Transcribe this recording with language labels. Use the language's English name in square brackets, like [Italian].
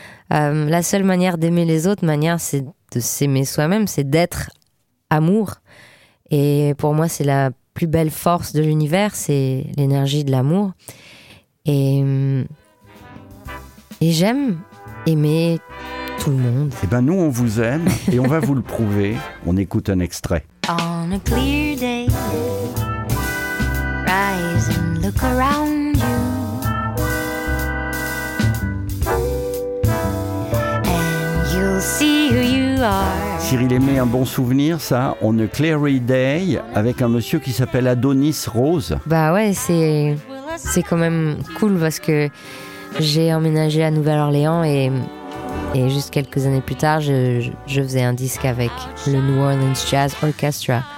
[French] La seule manière d'aimer les autres, c'est de s'aimer soi-même, c'est d'être amour. Et pour moi, c'est la plus belle force de l'univers, c'est l'énergie de l'amour. Et j'aime aimer tout le monde. Eh bien, nous, on vous aime et on va vous le prouver. On écoute un extrait. [English] On a clear day, rise and look around you. And you'll see who you are. [French] Cyril Aimé, un bon souvenir, ça, On a Clary Day, avec un monsieur qui s'appelle Adonis Rose. Bah ouais, c'est quand même cool parce que j'ai emménagé à Nouvelle-Orléans et juste quelques années plus tard, je faisais un disque avec le New Orleans Jazz Orchestra.